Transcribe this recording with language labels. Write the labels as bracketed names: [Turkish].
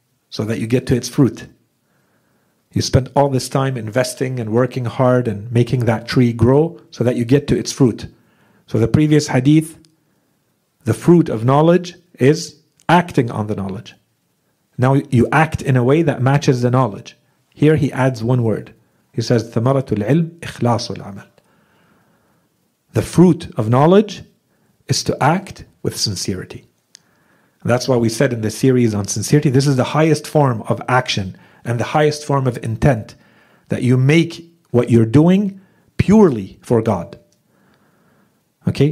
[English] So that you get to its fruit. You spend all this time investing and working hard and making that tree grow so that you get to its fruit. So the previous hadith, the fruit of knowledge is acting on the knowledge. Now you act in a way that matches the knowledge. Here he adds one word. He says, [Arabic] ثَمَرَةُ الْعِلْمِ إِخْلَاصُ الْعَمَلِ. [English] The fruit of knowledge is to act with sincerity. And that's why we said in the series on sincerity, this is the highest form of action and the highest form of intent, that you make what you're doing purely for God. Okay?